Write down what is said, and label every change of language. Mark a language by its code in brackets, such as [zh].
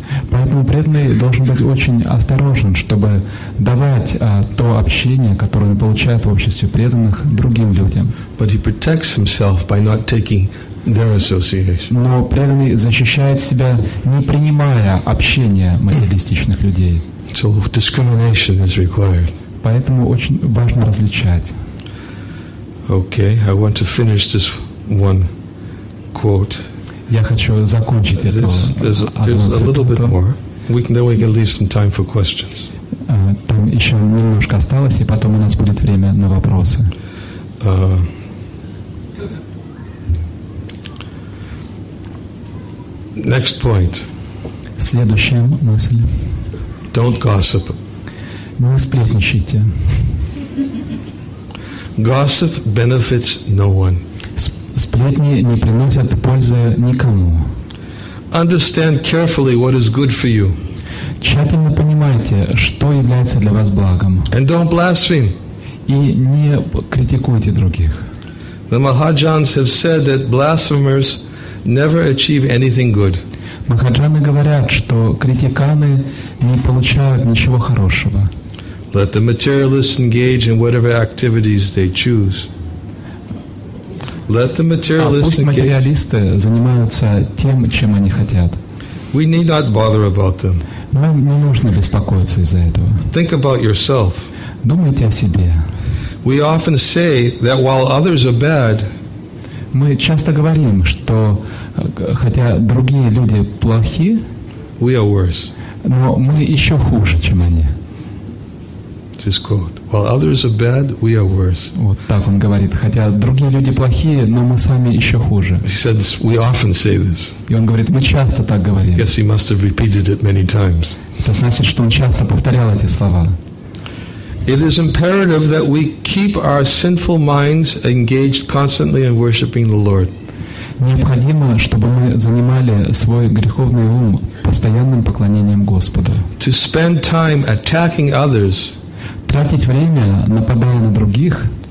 [ru] Поэтому преданный должен быть очень осторожен, чтобы давать то общение, которое он получает в обществе преданных, другим людям. [en] But he protects himself by not taking their association. [ru] Но преданный защищает себя, не принимая общения материалистичных людей. [en] So discrimination is required. [ru] Поэтому очень важно различать. [en] Okay, I want to finish this one quote. [ru] Я хочу закончить это. [en] There's a little bit more. Then we can leave some time for questions. [ru] Там еще немножко осталось, и потом у нас будет время на вопросы. [en] Next point. [ru] Следующая мысль. [en] Don't gossip. [ru] Не сплетничайте. [en] Gossip benefits no one. [ru] Сплетни не приносят пользы никому. [en] Understand carefully what is good for you. [ru] Тщательно понимайте, что является для вас благом. [en] And don't blaspheme. [ru] И не критикуйте других. [en] The Mahajans have said that blasphemers never achieve anything good. [ru] Махаджаны говорят, что критиканы не получают ничего хорошего. [en] Let the materialists engage in whatever activities they choose. Let the materialists engage. [ru] А пусть материалисты занимаются тем, чем они хотят. [en] We need not bother about them. [ru] Нам не нужно беспокоиться из-за этого. [en] Think about yourself. [ru] Думайте о себе. [en] We often say that while others are bad, [ru] мы часто говорим, что хотя другие люди плохи, [en] we are worse. [ru] Но мы еще хуже, чем они. [en] This quote. While others are bad, we are worse. [ru] Вот так он говорит. Хотя другие люди плохие, но мы сами еще хуже. [en] He said this, we often say this. [ru] И он говорит, мы часто так говорим. [en] Yes, he must have repeated it many times. [ru] Это значит, что он часто повторял эти слова. [en] It is imperative that we keep our sinful minds engaged constantly in worshiping the Lord. [ru] Необходимо, чтобы мы занимали свой греховный ум постоянным поклонением Господу. [en] To spend time attacking others. [ru] Тратить время, нападая на других,